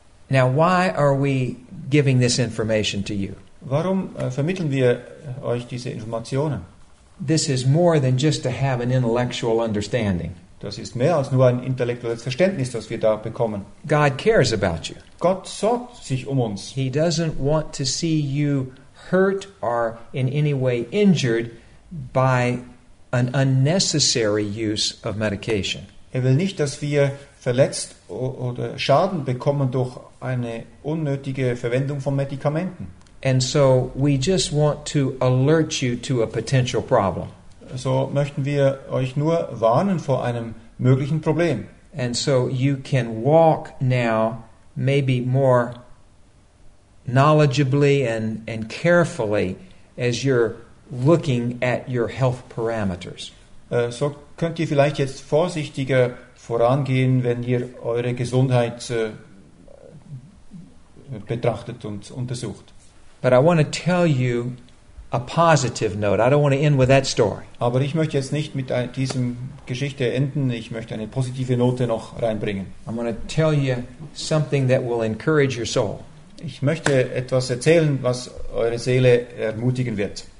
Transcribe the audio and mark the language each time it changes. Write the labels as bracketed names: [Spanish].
[English] Now, why are we giving this information to you? [German] Warum vermitteln wir euch diese Informationen? [English] This is more than just to have an intellectual understanding. [German] Das ist mehr als nur ein intellektuelles Verständnis, das wir da bekommen. [English] God cares about you. [German] Gott sorgt sich um uns. [English] He doesn't want to see you hurt or in any way injured by an unnecessary use of medication. [German] Er will nicht, dass wir verletzt oder Schaden bekommen durch eine unnötige Verwendung von Medikamenten. [English] And so we just want to alert you to a potential problem. [German] So möchten wir euch nur warnen vor einem möglichen Problem. [English] And so you can walk now maybe more knowledgeably and carefully as you're looking at your health parameters. [German] So könnt ihr vielleicht jetzt vorsichtiger vorangehen, wenn ihr eure Gesundheit betrachtet und untersucht. [English] But I want to tell you a positive note. I don't want to end with that story. [German] Aber ich möchte jetzt nicht mit diesem Geschichte enden. Ich möchte eine positive Note noch reinbringen. [English] I'm going to tell you something that will encourage your soul. [German] Ich möchte etwas erzählen, was eure Seele ermutigen wird.